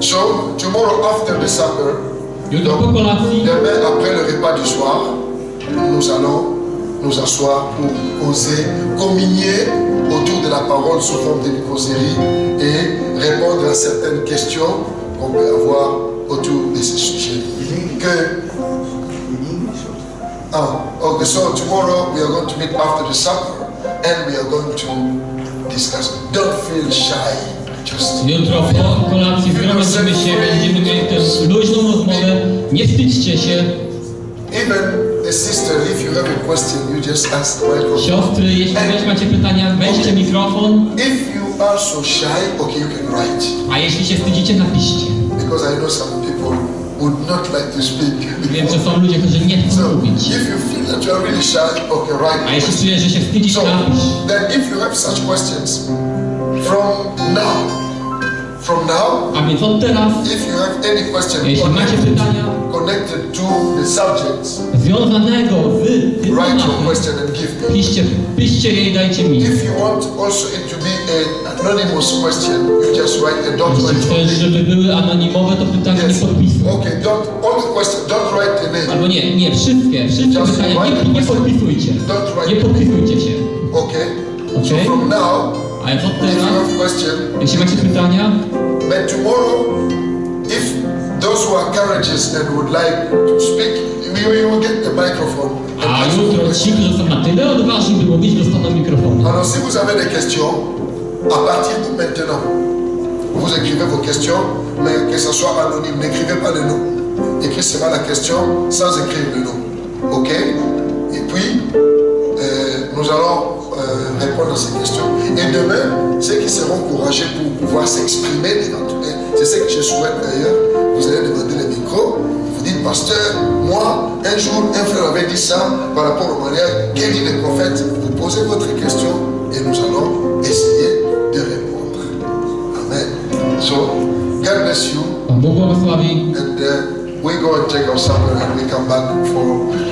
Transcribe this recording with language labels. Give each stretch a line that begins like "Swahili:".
English: So tomorrow after the supper,
French: demain après le repas du soir, nous allons nous asseoir pour causer, communier autour de la parole sous forme de causerie et répondre à certaines questions qu'on peut avoir autour de ces sujets. Que okay.
English: So tomorrow we are going to meet after the supper and we are going to discuss. Don't feel shy. Just
Polish: jutro po kolacji zgromadzimy się, będziemy mieli tę luźną rozmowę. Nie wstydźcie się.
English: Even a sister, if you have a question, you just ask the microphone.
Polish: Siostry, jeśli też macie pytania, weźcie mikrofon.
English: If you are so shy, okay, you can write.
Polish: A jeśli się wstydzicie, napiszcie.
English: Because I know some people would not like to speak.
Polish: Wiem, że są ludzie, którzy nie chcą mówić.
English: If you feel that you are really shy, okay, write.
Polish: A jeśli czujesz, że się wstydzisz, napisz.
English: Then if you have such questions, from now,
Polish: a więc od teraz,
English: if you have any question,
Polish: jeśli macie pytania,
English: connected to the subject,
Polish: związanego z
English: write your question and give me.
Polish: Piszcie je i dajcie mi.
English: If you want also it to be an anonymous question, you just write a document.
Polish: Jeśli chcesz, żeby były anonimowe, to pytania nie podpisuj.
English: Okay, don't write the name.
Polish: Albo nie, wszystkie pytania nie podpisujcie.
English: Don't write.
Polish: Nie podpisujcie się. Okay. Okay.
English: So from now,
Polish: a więc od teraz,
English: if you have question,
Polish: jeśli macie pytania,
English: but tomorrow, if those who are courageous and would like to speak, we will get the microphone.
Polish: A jutro ci, którzy są na tyle odważni, by mówić, dostaną mikrofon.
French: Alors, si vous avez des questions, à partir de maintenant, vous écrivez vos questions, mais que ce soit anonyme, n'écrivez pas le nom. Écrivez la question sans écrire le nom. Ok? Et puis, nous allons répondre à ces questions. Et demain, ceux qui seront courageux pour pouvoir s'exprimer, c'est ce que je souhaite d'ailleurs, vous allez demander le micro, vous dites, pasteur, moi, un jour, un frère avait dit ça par rapport au mariage, qu'a dit le prophète, vous posez votre question et nous allons essayer de répondre.
English: Amen. So, God bless you.
French: Bon bon soir.
English: And we go and take our supper and we come back for